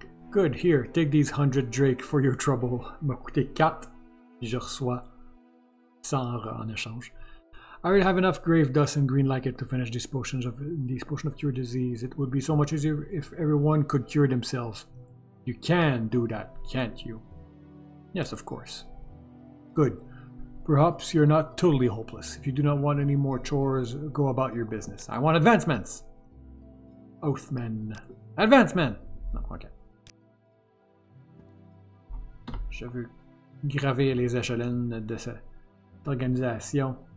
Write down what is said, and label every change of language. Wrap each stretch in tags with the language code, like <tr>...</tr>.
<en>Good, here, take these 100 drake for your trouble.</en> <fr>Ça m'a coûté 4, puis je reçois 100 en échange.</fr> <en>I already have enough grave dust and green like it to finish these potions of cure disease. It would be so much easier if everyone could cure themselves. You can do that, can't you? Yes, of course. Good. Perhaps you're not totally hopeless. If you do not want any more chores, go about your business. I want advancements! Oathmen. Advancement!</en> <fr>No, okay. Je veux graver les échelons de cette organisation.</fr>